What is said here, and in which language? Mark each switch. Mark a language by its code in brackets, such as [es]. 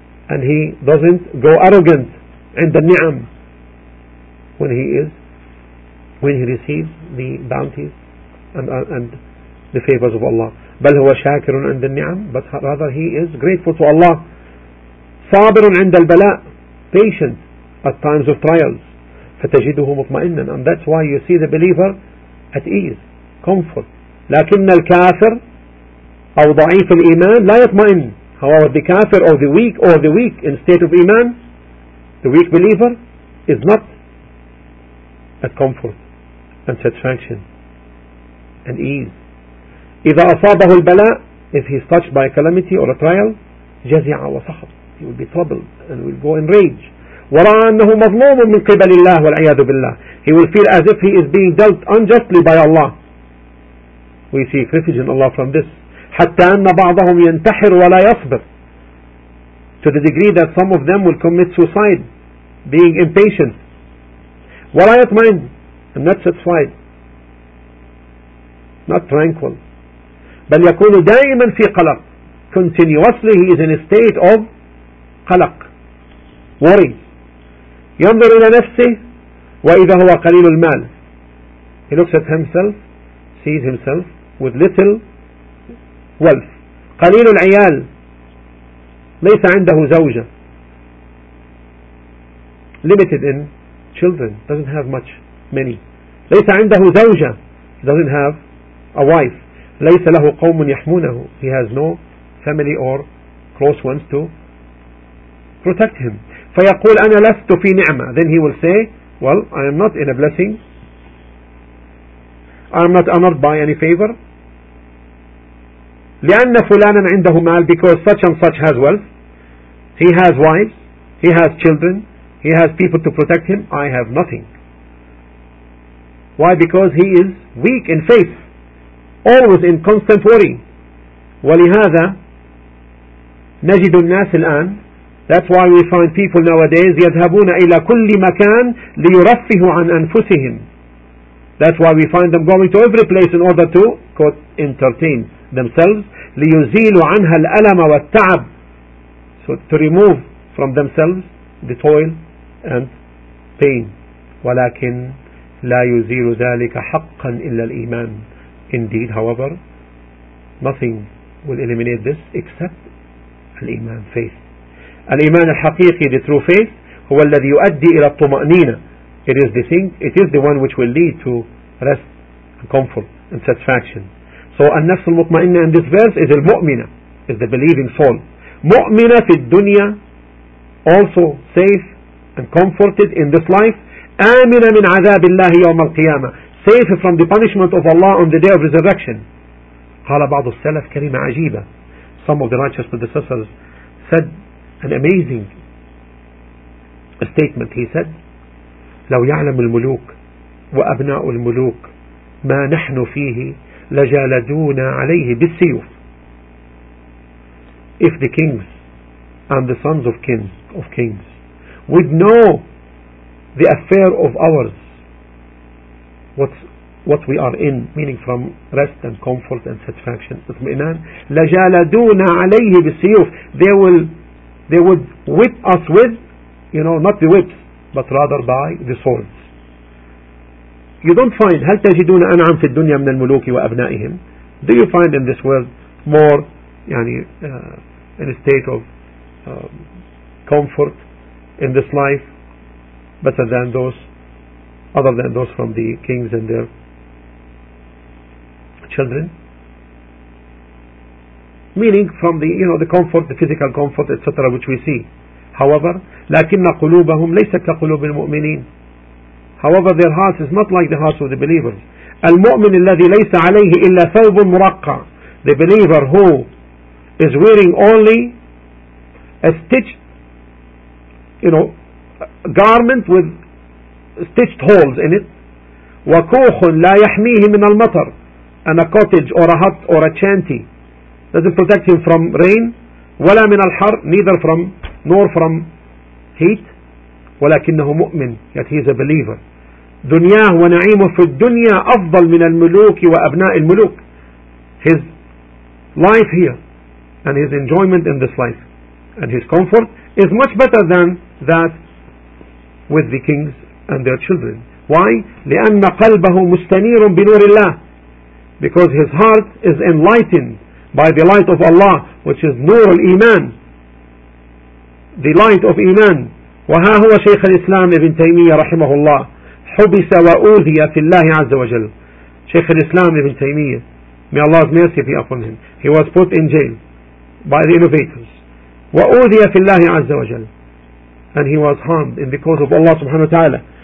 [en] And he doesn't go arrogant [ar] عند النعم [en] when he is, when he receives the bounties and the favors of Allah. [ar] بل هو شاكر عند النعم, [en] but rather he is grateful to Allah. [ar] صابر عند البلاء, [en] patient at times of trials. [ar] فتجده مطمئنا. [en] And that's why you see the believer at ease, comfort. [ar] لكن الكافر أو ضعيف الإيمان لا يطمئن. [en] However, the kafir or the weak, or the weak in state of iman, the weak believer is not a comfort and satisfaction and ease. [ar] إذا أصابه البلاء, [en] if he is touched by a calamity or a trial, [ar] جزع وسخط, [en] he will be troubled and will go in rage. [ar] وراء أنه مظلوم من قبل الله والعياذ بالله. [en] He will feel as if he is being dealt unjustly by Allah. We see refuge in Allah from this. [ar] حتى أن بعضهم ينتحر ولا يصبر. [en] To the degree that some of them will commit suicide, being impatient. [ar] ولا يطمئن, [en] and not satisfied, not tranquil. [ar] بل يكون دائما في قلق. [en] Continuously he is in a state of قلق, worry. [ar] ينظر إلى نفسه وإذا هو قليل المال. [en] He looks at himself, sees himself with little wealth. [ar] قليل العيال, ليس عنده زوجة. [en] Limited in children, doesn't have much, many. [ar] ليس عنده زوجة, [en] doesn't have a wife. [ar] ليس له قوم يحمونه, [en] he has no family or close ones to protect him. [ar] فيقول أنا لست في نعمة. [en] Then he will say, well, I am not in a blessing, I am not honored by any favor. [ar] لأن فلانا عنده مال, [en] because such and such has wealth, he has wives, he has children, he has people to protect him, I have nothing. Why? Because he is weak in faith, always in constant worry. [ar] ولهذا نجد الناس الآن. [en] That's why we find people nowadays [ar] يذهبون إلى كل مكان ليرفهوا عن أنفسهم. [en] That's why we find them going to every place in order to, quote, entertain themselves. [ar] لِيُزِيلُ عَنْهَا الْأَلَمَ وَالتَّعَبِ. [en] So to remove from themselves the toil and pain. [ar] وَلَكِنْ لَا يُزِيلُ ذَلِكَ حَقًّا إِلَّا الْإِيمَانِ. [en] Indeed, however, nothing will eliminate this except الإيمان, faith. [ar] الإيمان الحقيقي, [en] the true faith, [ar] هو الذي يؤدي إلى الطمأنينة. [en] It is the thing, it is the one which will lead to rest and comfort and satisfaction. So [ar] النفس المطمئنة [en] in this verse is المؤمنة, is the believing soul. [ar] مؤمنة في الدنيا, [en] also safe and comforted in this life. [ar] آمنة من عذاب الله يوم القيامة, [en] safe from the punishment of Allah on the day of resurrection. [ar] قال بعض السلف كلمة عجيبة. [en] Some of the righteous predecessors said an amazing statement. He said, [ar] لو يعلم الملوك وأبناء الملوك ما نحن فيه لجالدونا عليه بالسيوف. [en] If the kings and the sons of kings would know the affair of ours, what we are in, meaning from rest and comfort and satisfaction, اطمئنان, [ar] لجالدونا عليه بالسيوف, [en] they would whip us with, you know, not the whips, but rather by the swords. You don't find, [ar] هل تجدون أنعم في الدنيا من الملوك وأبنائهم. [en] Do you find in this world more, يعني, in a state of comfort in this life, better than those, other than those from the kings and their children? Meaning from the, you know, the comfort, the physical comfort, etc., which we see. [ar] However, لكن قلوبهم ليست كقلوب المؤمنين. [en] However, their hearts is not like the hearts of the believers. [ar] المؤمن الذي ليس عليه إلا ثوب مرقع. [en] The believer who is wearing only a stitched, you know, garment with stitched holes in it. [ar] وكوخ لا يحميه من المطر. [en] And a cottage or a hut or a shanty doesn't protect him from rain. [ar] ولا من الحر, [en] neither from nor from heat. [ar] ولكنه مؤمن, [en] yet he is a believer. [ar] دنياه ونعيمه في الدنيا أفضل من الملوك وأبناء الملوك. [en] His life here and his enjoyment in this life and his comfort is much better than that with the kings and their children. Why? [ar] لأن قلبه مستنير بنور الله. [en] Because his heart is enlightened by the light of Allah, which is [ar] نور الإيمان, [en] the light of إيمان. [ar] وها هو شيخ الإسلام ابن تيمية رحمه الله حبس وأوذي في الله عز وجل. [en] شيخ الإسلام ابن تيمية, may Allah's mercy be upon him, he was put in jail by the innovators. [ar] وأوذي في الله عز وجل, [en] and he was harmed in the cause of Allah subhanahu wa ta'ala.